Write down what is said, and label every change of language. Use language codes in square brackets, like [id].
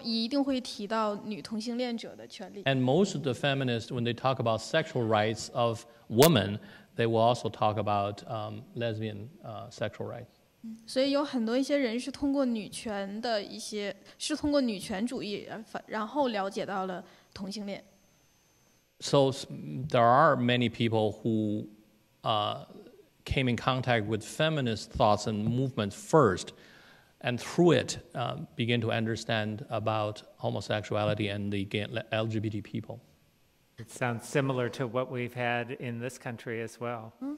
[zh] 一些女权主义者，当他们就是倡导女性的性权利的时候，也往往都会就是也一定会提到女同性恋者的权利。 [en] And most of the feminists, when they talk about sexual rights of women, they will also talk about lesbian sexual rights. [zh] 所以有很多一些人是通过女权的一些，是通过女权主义，然后了解到了同性恋。 [en] So there are many people who came in contact with feminist thoughts and movements first and through it begin to understand about homosexuality and the LGBT people. It sounds similar to what we've had in this country as well.